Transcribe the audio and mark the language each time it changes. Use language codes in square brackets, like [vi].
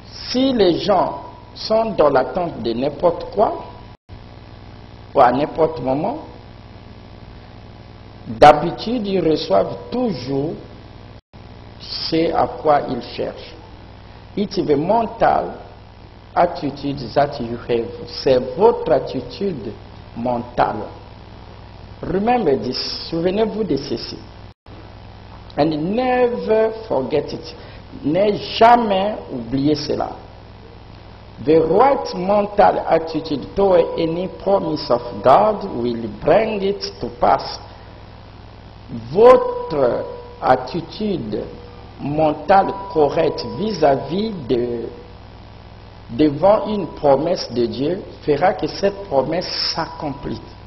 [fr] Si les gens sont dans l'attente de n'importe quoi, ou à n'importe moment, d'habitude, ils reçoivent toujours ce à quoi ils cherchent. [en] It's the mental attitude that you have. [fr] C'est votre attitude mentale. [en] Remember this. [fr] Souvenez-vous de ceci. [en] And never forget it. [fr] N'ayez jamais oublié cela. [en] The right mental attitude toward any promise of God will bring it to pass. [fr] Votre attitude mentale correcte vis-à-vis de devant une promesse de Dieu fera que cette promesse s'accomplisse.